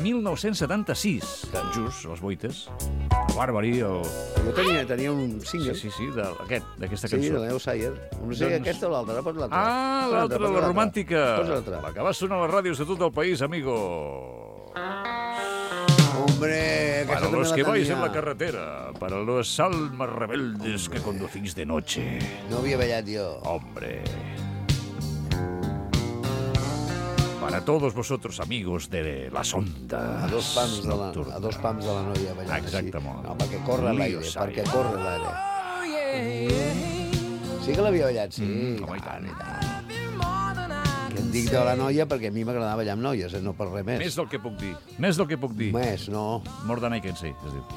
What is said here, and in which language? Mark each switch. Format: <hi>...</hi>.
<ca>1976, tan just, Les Boites. El Barbary, el... Jo tenia un single. Sí, sí, sí, d'aquesta cançó. Sí, de Leo Sayer. No sé, doncs... aquesta o l'altra, pot l'altra. Ah, l'altra, la romàntica. Posa l'altra. La que va sonar a les ràdios de tot el país, amigo.</ca> <es>Hombre, para los que vais en la carretera, para los almas rebeldes, hombre, que conducís de noche. No había bailado yo. Hombre. Para todos vosotros, amigos de las ondas.</es> <ca>A dos pams de la, a dos pams de la noia, ballant. Exactament. Així. No, perquè corre l'aire, perquè corre l'aire.</ca> <en>Oh, yeah.</en> <ca>Sí que l'havia ballat, sí. Home, i tant, i tant. Que em dic de la noia perquè a mi m'agradava ballar amb noies, no per res més. Més del que puc dir. Més del que puc dir. Més, no.</ca> <en>More than I can say,</en> <ca>es diu.</ca>